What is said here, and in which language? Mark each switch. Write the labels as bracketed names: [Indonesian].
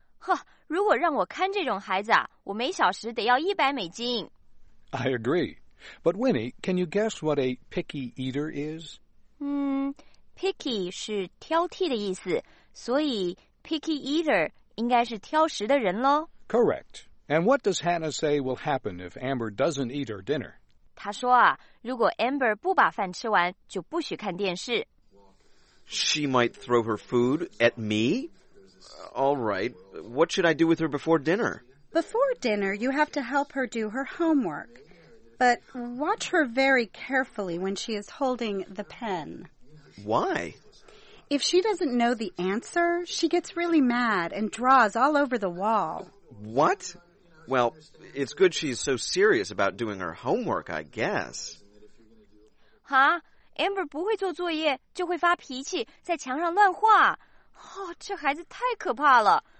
[Chinese] 呵如果让我看这种孩子啊我每小时得要$100。 [English] I agree. But Winnie, can you guess what a picky eater is? [Chinese] Picky 是挑剔的意思，所以 picky eater 应该是挑食的人咯。 [English] Correct. And what does Hannah say will happen if Amber doesn't eat her dinner? [Chinese] 她说啊，如果 Amber 不把饭吃完，就不许看电视。 [English] She might throw her food at me? All right. What should I do with her before dinner? Before dinner, you have to help her do her homework. But watch her very carefully when she is holding the pen. Why? If she doesn't know the answer, she gets really mad and draws all over the wall. What? Well, it's good she's so serious about doing her homework, I guess. Huh? [Chinese] Amber 不会做作业，就会发脾气，在墙上乱画。哦，这孩子太可怕了。